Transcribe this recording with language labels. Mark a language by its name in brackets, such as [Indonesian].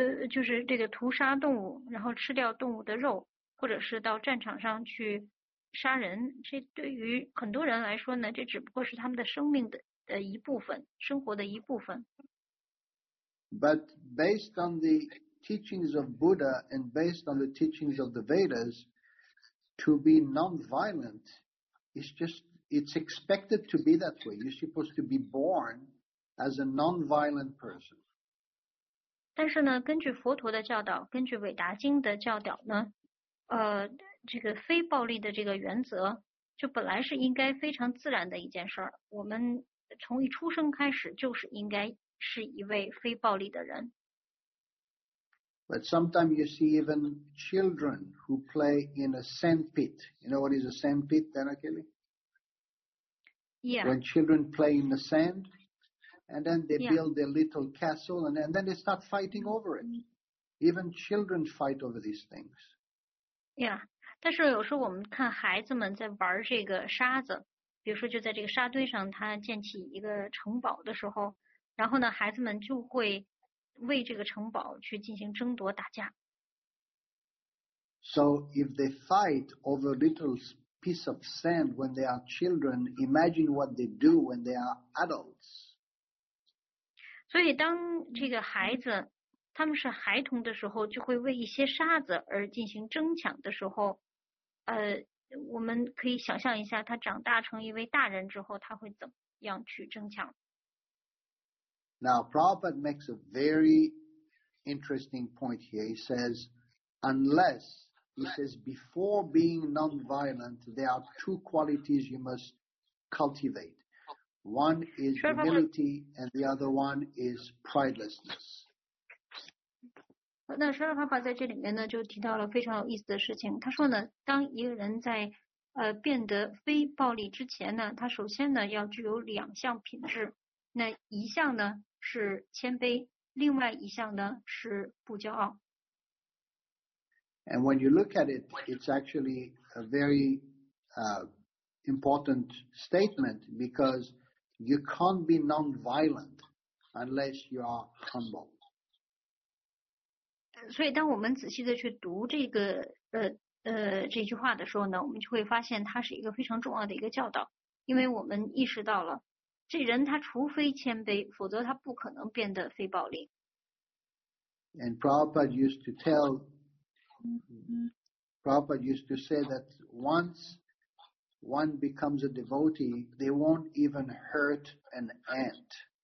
[Chinese] 就是这个屠杀动物，然后吃掉动物的肉，或者是到战场上去杀人，这对于很多人来说呢，这只不过是他们的生命的一部分，生活的一部分。 [English] But based on the teachings of Buddha and based on the teachings of the Vedas, to be non-violent is just, it's expected to be that way. You're supposed to be born as a non-violent person. [Chinese] 但是呢，根据佛陀的教导，根据伟达经的教导呢，这个非暴力的这个原则，就本来是应该非常自然的一件事儿。我们从一出生开始就是应该是一位非暴力的人。 [English] But sometimes you see even children who play in a sand pit. You know what is a sand pit, Danakili? Yeah. When children play in the sand. And then they build their little castle, and then they start fighting over it. Even children fight over these things. [Chinese] Yeah, 但是有时候我们看孩子们在玩这个沙子，比如说就在这个沙堆上，他建起一个城堡的时候，然后呢，孩子们就会为这个城堡去进行争夺打架。 [English] So if they fight over a little piece of sand when they are children, imagine what they do when they are adults. [Chinese] 所以当这个孩子他们是孩童的时候，就会为一些沙子而进行争抢的时候，我们可以想象一下他长大成一位大人之后，他会怎么样去争抢。 [English] Now Prabhupada makes a very interesting point here. He says, unless, he says, before being non-violent, there are two qualities you must cultivate. One is humility, and the other one is pridelessness. [Chinese] 那舍勒帕帕在这里面呢，就提到了非常有意思的事情。他说呢，当一个人在变得非暴力之前呢，他首先呢要具有两项品质。那一项呢是谦卑，另外一项呢是不骄傲。 [English] And when you look at it, it's actually a very important statement because. You can't be non-violent unless you are humble. [Chinese] 所以当我们仔细的去读这个这句话的时候呢，我们就会发现它是一个非常重要的一个教导，因为我们意识到了这人他除非谦卑，否则他不可能变得非暴力。 [English] And Prabhupada used to say that once one becomes a devotee, they won't even hurt an ant.